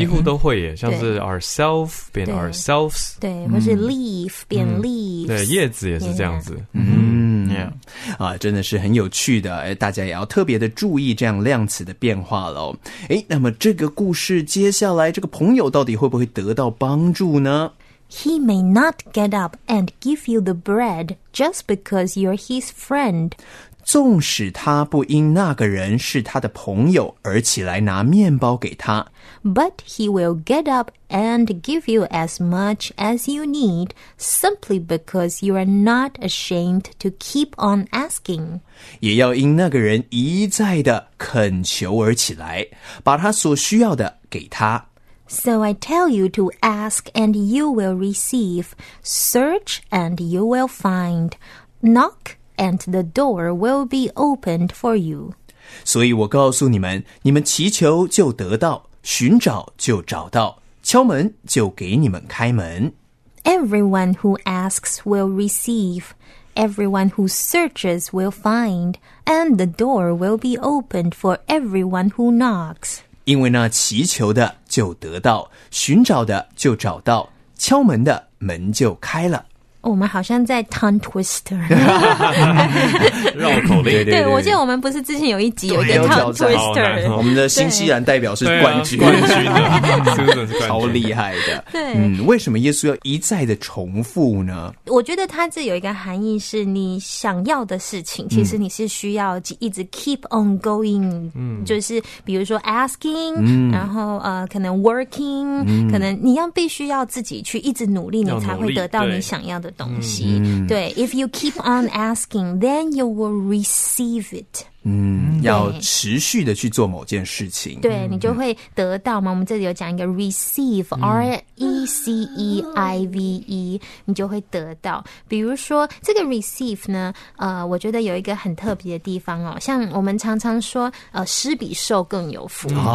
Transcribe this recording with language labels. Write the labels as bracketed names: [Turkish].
[Chinese] 几乎都会耶，像是 ourself 变 ourselves，对，或是 leaf 变 leaves、对，叶子也是这样子。 Yeah. 啊，真的是很有趣的，大家也要特别的注意这样量词的变化咯。诶，那么这个故事接下来这个朋友到底会不会得到帮助呢？ [English] He may not get up and give you the bread just because you're his friend. [Chinese] 纵使他不因那个人是他的朋友而起来拿面包给他。 [English] But he will get up and give you as much as you need simply because you are not ashamed to keep on asking. [Chinese] 也要因那个人一再的恳求而起来，把他所需要的给他。 [English] So I tell you to ask and you will receive. Search and you will find. Knock and the door will be opened for you. [Chinese] 所以我告诉你们，你们祈求就得到，寻找就找到，敲门就给你们开门。 [English] Everyone who asks will receive. Everyone who searches will find. And the door will be opened for everyone who knocks. [Chinese] 因为那祈求的就得到，寻找的就找到，敲门的门就开了。我们好像在 tongue twister，绕口令。对， 对， 对，对，我记得我们不是之前有一集有一个 tongue twister，我们的新西兰代表是冠军，冠军，真的是超厉害的。对，为什么耶稣要一再的重复呢？我觉得他这有一个含义是，你想要的事情其实你是需要一直 [English] keep on going、 [Chinese] 就是比如说 asking、然后可能 working、可能你要必须要自己去一直努力，你才会得到你想要的东西。对，对， [English] If you keep on asking then you will receive it。 [Chinese] 要持续的去做某件事情，对，你就会得到嘛。我们这里有讲一个 receive， R-E-C-E-I-V-E， 你就会得到。比如说这个 receive 呢，我觉得有一个很特别的地方哦，像我们常常说施比受更有福、对，